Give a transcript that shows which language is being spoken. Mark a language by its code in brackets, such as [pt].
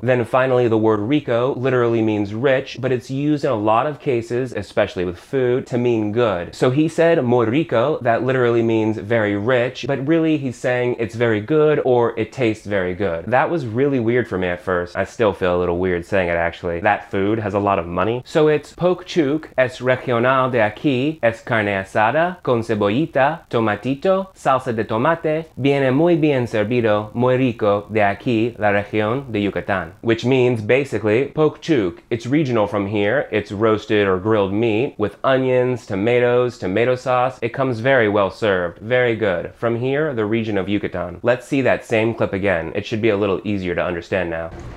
[en] Then finally, the word rico literally means rich, but it's used in a lot of cases, especially with food, to mean good. So he said [es] muy rico, [en] that literally means very rich, but really he's saying it's very good or it tastes very good. That was really weird for me at first. I still feel a little weird saying it actually. That food has a lot of money. [es] So it's pokchuk es regional de aquí, es carne asada con cebollita, tomatito, salsa de tomate, viene muy bien servido, muy rico de aquí, la región de Yucatán. [en] Which means basically pokchuk. It's regional from here. It's roasted or grilled meat with onions, tomatoes, tomato sauce. It comes very well served. Very good. From here, the region of Yucatán. Let's see that same clip again. It should be a little easier to understand now.